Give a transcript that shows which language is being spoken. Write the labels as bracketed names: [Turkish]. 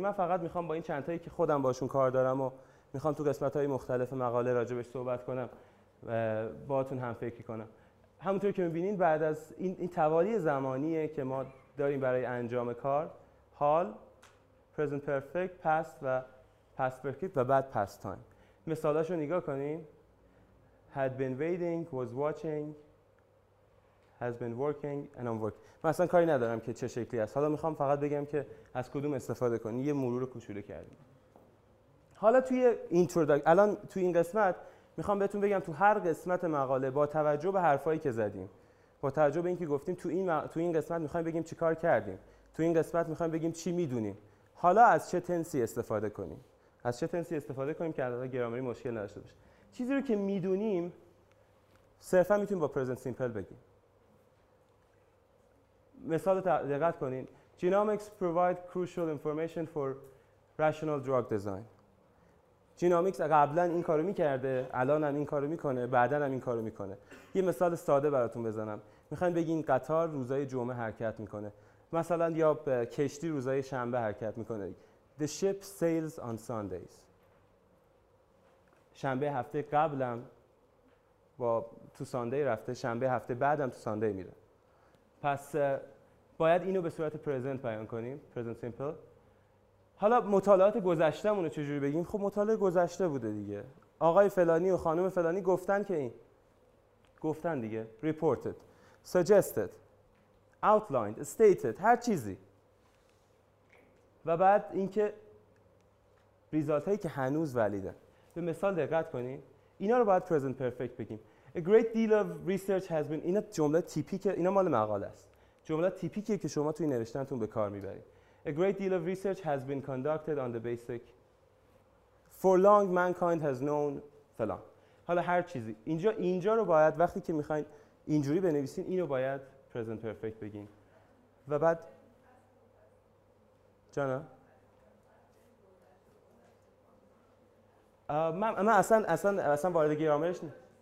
[Persian] من فقط می‌خوام با این چند تایی که خودم باشون کار دارم و می‌خوام تو قسمت‌های مختلف مقاله راجعش صحبت کنم و باهاتون هم فکر کنم. همونطور که می‌بینین بعد از این توالی زمانیه که ما داریم برای انجام کار، حال، پرزنت پرفکت، پست و پست پرفکت و بعد پست تایم. مثالاش رو نگاه کنین. [English] Had been waiting, was watching, has been working and I'm working. [Persian] من اصلا کاری ندارم که چه شکلی است. حالا میخوام فقط بگم که از کدوم استفاده کنین. یه مرور کوچولو کردیم. حالا توی اینتروداکت، الان توی این قسمت میخوام بهتون بگم تو هر قسمت مقاله با توجه به حرفایی که زدیم، با توجه به اینکه گفتیم تو این قسمت میخوایم بگیم چی کار کردیم، تو این قسمت میخوایم بگیم چی میدونیم، حالا از چه تنسی استفاده کنیم، از چه تنسی استفاده کنیم که علاوه گرامری مشکل نداشته باشه. چیزی رو که میدونیم صرفا میتونیم با پرزنت سیمپل بگیم. مثال دقت کنین. جینومیکس پروواید کروشال انفورمیشن فور رشنال دراگ دیزاین. جینومیکس قبلا این کارو میکرده، الان هم این کارو میکنه، بعدا هم این کارو میکنه. یه مثال ساده براتون بزنم. میخواین بگین قطار روزای جمعه حرکت میکنه مثلا، یا کشتی روزای شنبه حرکت میکنه. [English] The ship sails on Sundays. [Persian] شنبه هفته قبلم با تو ساندی رفته، شنبه هفته بعدم تو ساندی میره. پس باید اینو به صورت پرزنت بیان کنیم، پرزنت سیمپل. حالا مطالعات گذشتمون رو چجوری بگیم؟ خب مطالعه گذشته بوده دیگه. آقای فلانی و خانم فلانی گفتن که این. گفتن دیگه. [English] Reported. Suggested. Outlined. Stated. [Persian] هر چیزی. و بعد اینکه ریزالت هایی که هنوز ولیده. به مثال دقت کنین. اینا رو باید present perfect بگیم. [English] A great deal of research has been. [Persian] اینا جمله تیپیکه. اینا مال مقاله است. جمله تیپیکه که شما توی نوشتنتون به کار میبرید. [English] A great deal of research has been conducted on the basic. For long, mankind has known فلان. [Persian] حالا هر چیزی. اینجا رو باید وقتی که میخواین اینجوری بنویسین، اینو باید present perfect بگین. و بعد جانا؟ من اصلا وارد گرامرش نیم.